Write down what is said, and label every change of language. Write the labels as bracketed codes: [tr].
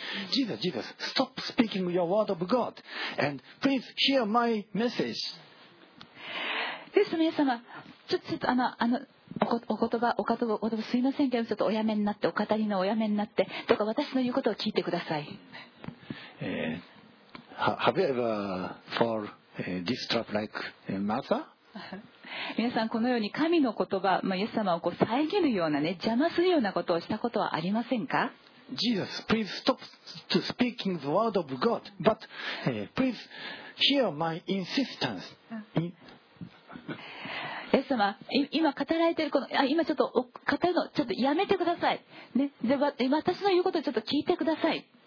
[en] Jesus, stop speaking your word of God and please hear my message. [ja] イエス様、ちょっとお言葉すいませんけど、ちょっとおやめになって、お語りのおやめになって、とか私の言うことを聞いてください。 [en] Have you ever fall this trap like Martha? [ja] 皆さん、このように神の言葉、イエス様をこう遮るようなね、邪魔するようなことをしたことはありませんか？ [en] Jesus, please stop to speaking the word of God, but please hear my insistence. [ja] イエス様、今語られているこの、今ちょっと語るのちょっとやめてください、ね、で私の言うことをちょっと聞いてください、